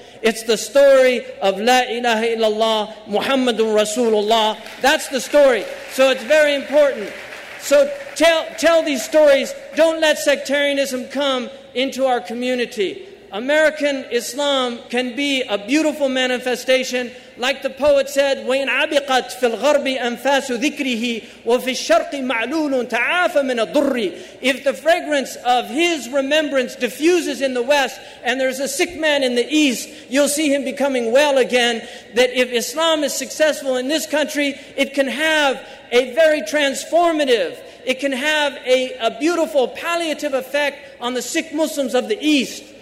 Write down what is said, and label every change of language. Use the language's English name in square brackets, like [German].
[English] It's the story of La ilaha illallah, Muhammadun Rasulullah. That's the story. So it's very important. So tell these stories. Don't let sectarianism come into our community. American Islam can be a beautiful manifestation. Like the poet said, [Arabic] وَيْنْعَبِقَتْ فِي الْغَرْبِ أَنْفَاسُ ذِكْرِهِ وَفِي الشَّرْقِ مَعْلُولٌ تَعَافَ مِنَ الضُّرِّ. [English] If the fragrance of his remembrance diffuses in the West and there's a sick man in the East, you'll see him becoming well again. That if Islam is successful in this country, it can have a very transformative, it can have a beautiful palliative effect on the sick Muslims of the East.